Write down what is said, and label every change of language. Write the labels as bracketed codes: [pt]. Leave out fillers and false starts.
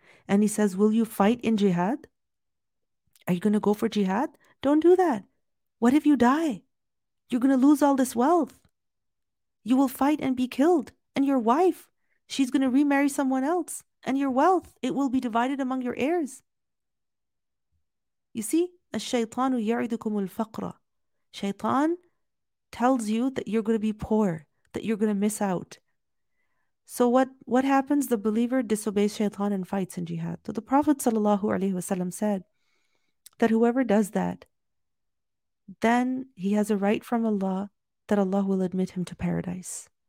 [en] And he says, will you fight in jihad? Are you going to go for jihad? Don't do that. What if you die? You're going to lose all this wealth. You will fight and be killed. And your wife, she's going to remarry someone else. And your wealth, it will be divided among your heirs. You see, [ar] الشَّيْطَانُ يَعِدُكُمُ الْفَقْرَ. [en] Shaitan tells you that you're going to be poor, that you're going to miss out. So what happens? The believer disobeys Shaitan and fights in jihad. So the Prophet ﷺ said that whoever does that, then he has a right from Allah that Allah will admit him to paradise.